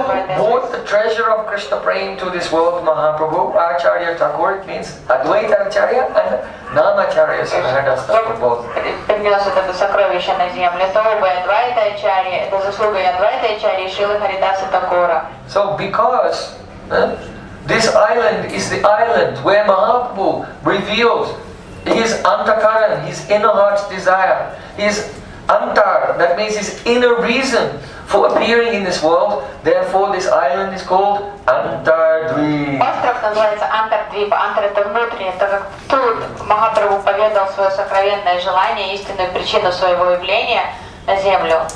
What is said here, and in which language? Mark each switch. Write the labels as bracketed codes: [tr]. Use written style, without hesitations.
[en] brought the treasure of Krishna Prem to this world, Mahaprabhu, Acharya Thakur, it means Advaita Acharya and Namacharya Srinivasa Thakur both. [ru] Принес это сокровище на землю, это оба Адвайта Ачарья, это заслуга Адвайта Ачарьи и Шрилы Харидаса Такура. [en] So because this island is the island where Mahaprabhu reveals his antakaran, his inner heart's desire, his antar, that means his inner reason for appearing in this world, therefore this island is called Antardvip. [ru] Остров называется Антардвип. Антар это внутреннее, так как тут Махапрабху поведал свое сокровенное желание, истинную причину своего явления на землю.